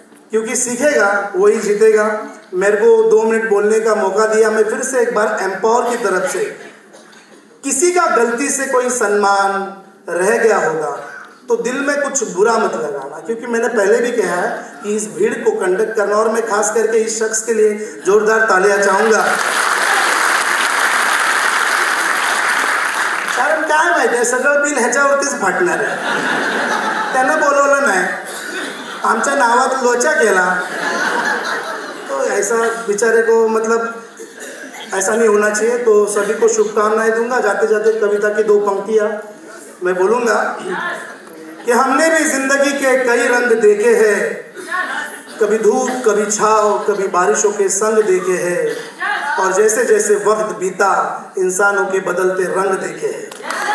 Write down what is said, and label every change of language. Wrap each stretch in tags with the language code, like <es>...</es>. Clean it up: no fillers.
<hi>क्योंकि सीखेगा वही जीतेगा। मेरे को दो मिनट बोलने का मौका दिया, मैं फिर से एक बार एम्पावर की तरफ से, किसी का गलती से कोई सम्मान रह गया होगा तो दिल में कुछ बुरा मत लगाना, क्योंकि मैंने पहले भी कहा है कि इस भीड़ को कंडक्ट करना, और मैं खास करके इस शख्स के लिए जोरदार तालियां चाहूंगा।</hi> <mr>कारण क्या है भाई, सगळं बिल ह्याच्यावरतीच फाटणार है, त्यानं बोलवलं नाही, आमच्या नावात लोचा केला,</mr> <hi>तो ऐसा बिचारे को मतलब ऐसा नहीं होना चाहिए। तो सभी को शुभकामनाएं दूंगा, जाते जाते कविता की दो पंक्तियां मैं बोलूंगा कि हमने भी जिंदगी के कई रंग देखे हैं, कभी धूप कभी छाव कभी बारिशों के संग देखे हैं, और जैसे जैसे वक्त बीता इंसानों के बदलते रंग देखे हैं।</hi>